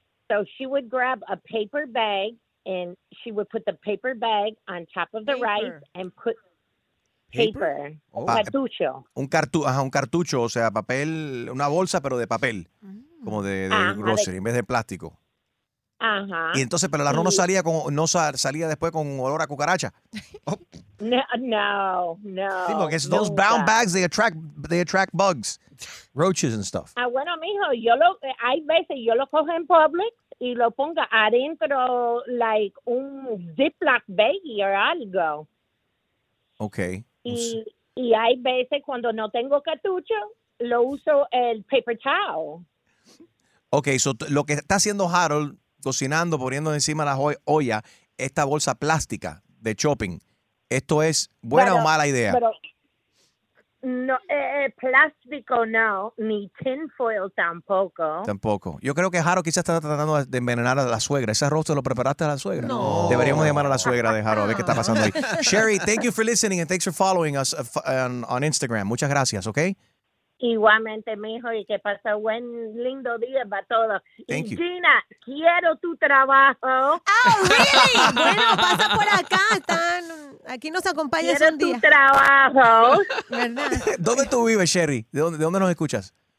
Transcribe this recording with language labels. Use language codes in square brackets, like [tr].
[en] So she would grab a paper bag and she would put the paper bag on top of the rice and put paper. [es] Cartucho. Un cartucho, o sea, papel, una bolsa, pero de papel, como de grocery, en vez de plástico. Ajá. Y entonces, pero el arroz no salía después con olor a cucaracha. No. Sí, porque es [en] those brown bags, they attract bugs, roaches and stuff. [es] Bueno, mijo, hay veces yo lo cojo en Publix y lo pongo adentro, like un Ziploc baggie or algo. [en] Okay. [es] Y hay veces cuando no tengo cartucho, lo uso el paper towel. Okay, so lo que está haciendo Harold, cocinando, poniendo encima la olla, esta bolsa plástica de shopping, ¿esto es buena o mala idea? No, plástico no, ni tinfoil tampoco. Tampoco. Yo creo que Harold quizás está tratando de envenenar a la suegra. ¿Ese arroz te lo preparaste a la suegra? No. Deberíamos llamar a la suegra de Harold a ver qué está pasando ahí. [en] Sherry, thank you for listening and thanks for following us on Instagram. [es] Muchas gracias, ¿ok? Igualmente, mijo, y que pase buen lindo día para todos. [en] Thank you. [es] Gina, quiero tu trabajo. [en] Oh, really? [es] Bueno, pasa por acá, están. Aquí nos acompañas un día. Quiero tu trabajo. ¿Verdad? ¿Dónde tú vives, Sherry? ¿De dónde nos escuchas?